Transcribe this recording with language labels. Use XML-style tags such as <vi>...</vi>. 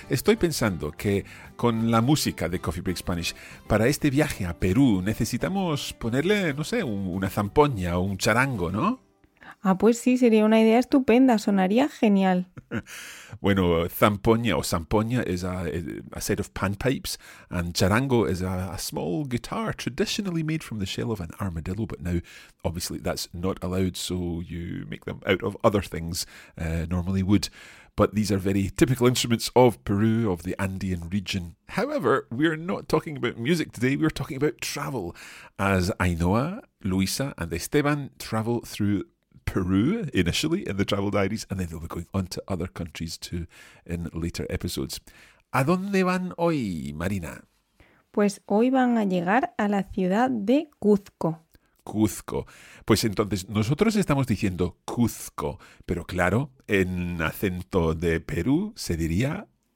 <es>Estoy pensando que con la música de Coffee Break Spanish, para este viaje a Perú necesitamos ponerle, no sé, una zampoña o un charango, ¿no? Ah, pues sí, sería una idea estupenda, sonaría genial.</es> <en>Bueno, zampoña o zampoña is a set of panpipes, and charango is a small guitar traditionally made from the shell of an armadillo, but now, obviously, that's not allowed, so you make them out of other things, normally wood. But these are very typical instruments of Peru, of the Andean region. However, we're not talking about music today, we're talking about travel, as Ainhoa, Luisa, and Esteban travel through Peru initially in the travel diaries, and then they'll be going on to other countries too in later episodes.</en> <es>¿A dónde van hoy, Marina? Pues hoy van a llegar a la ciudad de Cuzco. Cuzco. Pues entonces, nosotros estamos diciendo Cuzco, pero claro, en acento de Perú se diría</es>